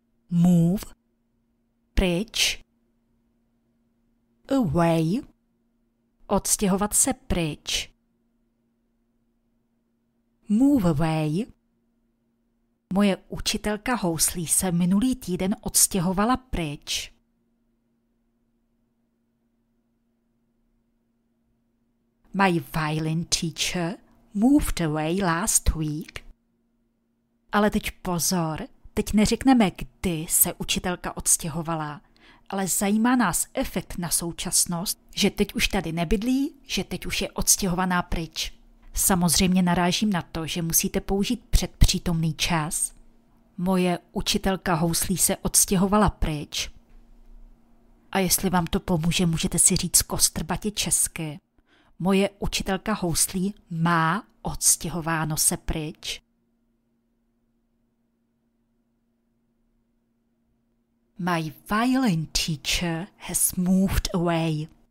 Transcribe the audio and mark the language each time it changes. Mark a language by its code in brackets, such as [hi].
[en] Move. Pryč. Away. [cs] Odstěhovat se pryč. [en] Move away. [cs] Moje učitelka houslí se minulý týden odstěhovala pryč. [en] My violin teacher moved away last week. [cs] Ale teď pozor, teď neřekneme, kdy se učitelka odstěhovala, ale zajímá nás efekt na současnost, že teď už tady nebydlí, že teď už je odstěhovaná pryč. Samozřejmě narážím na to, že musíte použít předpřítomný čas. Moje učitelka houslí se odstěhovala pryč. A jestli vám to pomůže, můžete si říct kostrbatě česky. Moje učitelka houslí má odstěhováno se pryč. [en] My violin teacher has moved away.